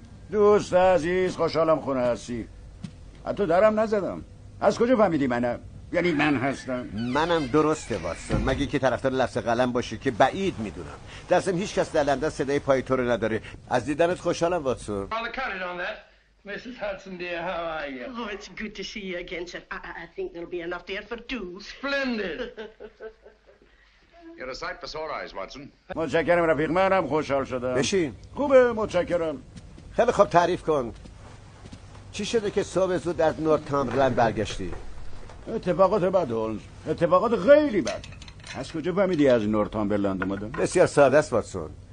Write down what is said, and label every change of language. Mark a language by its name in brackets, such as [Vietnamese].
[Persian] دوست عزیز، خوشحالم خونه هستی. حتی درم نزدم. از کجا فهمیدی منم؟ یعنی من هستم؟ منم درسته واتسون، مگه که طرفدار لفظ قلم باشی، که بعید میدونم. در ضمن هیچ کس در لندن صدای پای تو رو نداره. از دیدنت خوشحالم واتسون. [English] Mrs. Hudson, dear, how are you? Oh, it's good to see you again, sir. I think there'll be enough there for two. Splendid. You're a sight for sore eyes, Watson. [Persian] متشکرم رفیق، منم خوشحال شدم. بشین. خوبه، متشکرم. خیلی خوب تعریف کن. چی شده که صبح زود از نورتامبرلند برگشتی؟ اتفاقات بد، هولمز. اتفاقات خیلی بد. از کجا فهمیدی از نورتامبرلند اومدم؟ بسیار ساده است، واتسون.